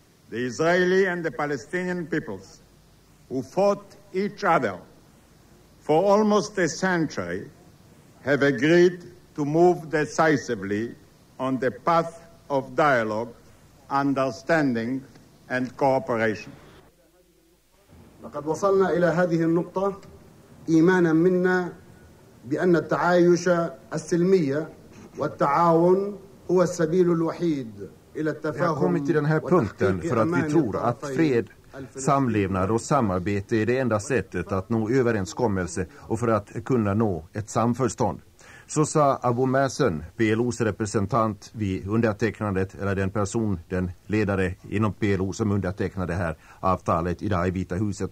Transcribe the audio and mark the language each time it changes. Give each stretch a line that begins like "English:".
English: The Israeli and the Palestinian peoples who fought each other for almost a century have agreed to move decisively on the path of dialogue, understanding and cooperation.
Arabic: لقد وصلنا إلى هذه النقطة إيمانا منا بأن التعايش السلمية والتعاون هو السبيل الوحيد إلى التفاهم.
Swedish: Jag kommer till den här punkten för att vi tror att fred, samlevnad och samarbete är det enda sättet att nå överenskommelse och för att kunna nå ett samförstånd. Så sa Abu Mazen, PLOs representant vid undertecknandet, eller den person, den ledare inom PLO som undertecknade här avtalet idag i Vita huset.